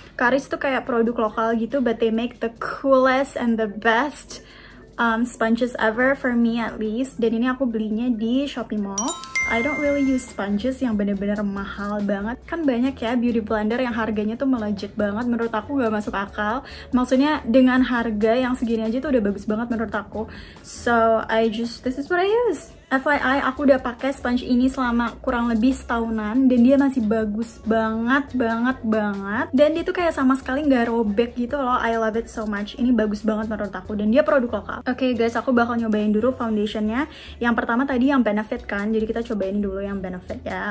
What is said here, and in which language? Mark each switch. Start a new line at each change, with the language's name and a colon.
English: Caris
Indonesian: tuh kayak produk lokal gitu,
English: but they make the coolest and the best sponges ever, for me at least.
Indonesian: Dan ini aku belinya di Shopee Mall.
English: I don't really use sponges
Indonesian: yang bener-bener mahal banget. Kan banyak ya beauty blender yang harganya tuh melejit banget. Menurut aku gak masuk akal. Maksudnya dengan harga yang segini aja tuh udah bagus banget menurut aku.
English: So I just, this is what I use.
Indonesian: FYI, aku udah pakai sponge ini selama kurang lebih setahunan dan dia masih bagus banget banget banget. Dan dia tuh kayak sama sekali gak robek gitu loh.
English: I love it so much.
Indonesian: Ini bagus banget menurut aku dan dia produk lokal. Okay guys, aku bakal nyobain dulu foundationnya. Yang pertama tadi yang Benefit kan, jadi kita cobain dulu yang Benefit ya.